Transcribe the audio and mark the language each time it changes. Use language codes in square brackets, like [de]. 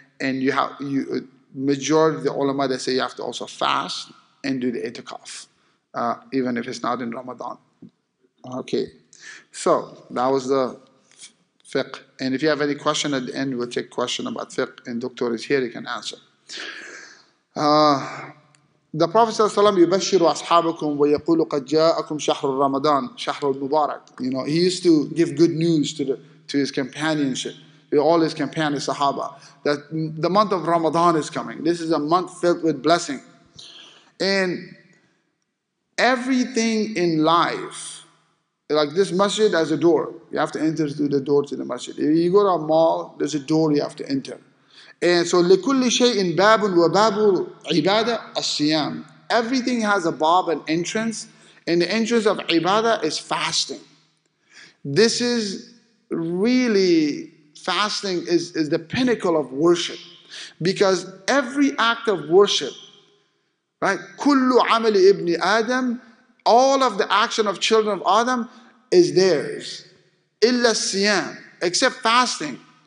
[en] And you majority of the ulama, they say you have to also fast and do the itikaf, even if it's not in Ramadan. Okay. So that was the fiqh. And if you have any question at the end, we'll take question about fiqh. And doctor is here, he can answer. The Prophet [ar] صلى الله عليه وسلم يبشر أصحابكم ويقول قد جاءكم شهر رمضان شهر المبارك. [en] You know, he used to give good news to his companionship, all his companions, Sahaba, that the month of Ramadan is coming. This is a month filled with blessing. And everything in life, like this masjid has a door. You have to enter through the door to the masjid. If you go to a mall, there's a door you have to enter. And so [ar] لكل شيء باب وباب عبادة الصيام. [en] Everything has a bab, an entrance, and the entrance of ibadah is fasting. This is really, fasting is the pinnacle of worship, because every act of worship, right, [ar] كل عمل ابن آدم, [en] all of the action of children of Adam is theirs, [ar] إلا الصيام, [en] except fasting.